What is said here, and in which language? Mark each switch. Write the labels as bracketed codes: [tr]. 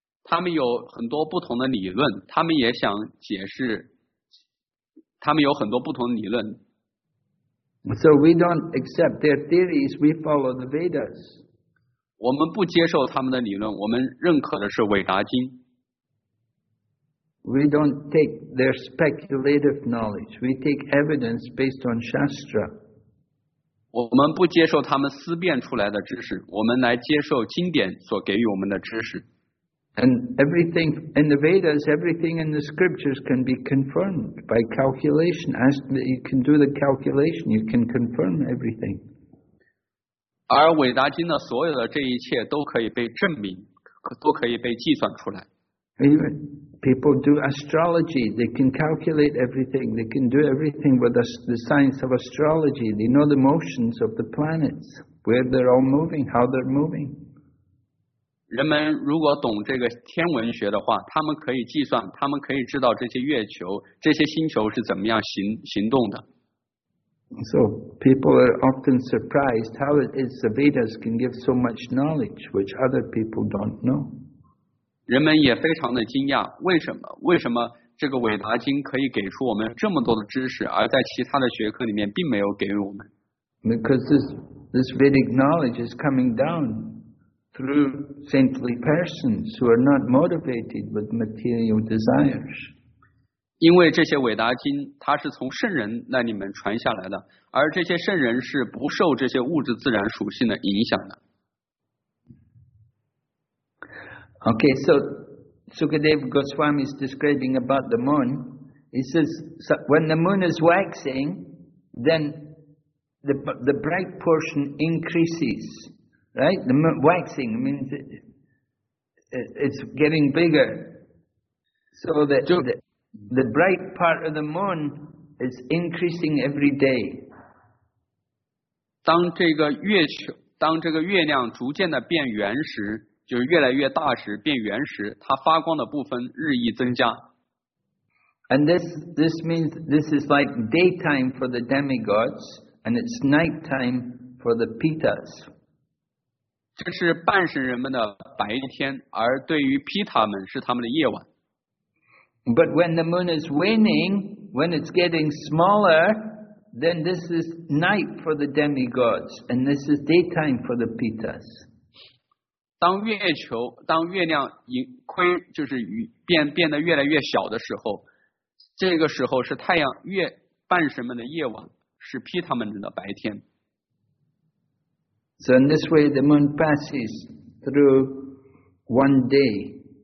[zh] 他们有很多不同的理论，他们也想解释。他们有很多不同的理论。 [en] So we don't accept their theories. We follow the Vedas. [zh] 我们不接受他们的理论，我们认可的是《韦达经》。 [en] We don't take their speculative knowledge. We take evidence based on Shastra. [zh] 我们不接受他们思辨出来的知识，我们来接受经典所给予我们的知识。 [en] And everything in the Vedas, everything in the scriptures can be confirmed by calculation. Ask that you can do the calculation, you can confirm everything. [zh] 而伟达经的所有的这一切都可以被证明，都可以被计算出来。 [en] Even people do astrology, they can calculate everything. They can do everything with the science of astrology. They know the motions of the planets, where they're all moving, how they're moving. [zh] 人们如果懂这个天文学的话，他们可以计算，他们可以知道这些月球、这些星球是怎么样行动的。 [en] So people are often surprised how it is the Vedas can give so much knowledge which other people don't know. [zh] 人们也非常的惊讶，为什么这个韦达经可以给出我们这么多的知识，而在其他的学科里面并没有给我们。 [en] Because this Vedic knowledge is coming down. Through saintly persons who are not motivated with material desires. [zh] 因为这些伟达经它是从圣人那里面传下来的，而这些圣人是不受这些物质自然属性的影响的。 [en] Okay, so Sukadeva Goswami is describing about the moon. He says, so when the moon is waxing, then the bright portion increases, right? The moon waxing means it's getting bigger. So the bright part of the moon is increasing every day. [zh] 当这个月亮逐渐的变圆时，就是越来越大时变圆时，它发光的部分日益增加。 [en] And this means this is like daytime for the demigods, and it's nighttime for the pitas. [zh] 这是半神人们的白天，而对于毗塔们是他们的夜晚。 [en] But when the moon is waning, when it's getting smaller, then this is night for the demigods, and this is daytime for the pitas. [zh] 当月亮盈亏，就是变得越来越小的时候，这个时候是太阳月半神们的夜晚，是披他们的白天。 [en] So in this way, the moon passes through one day.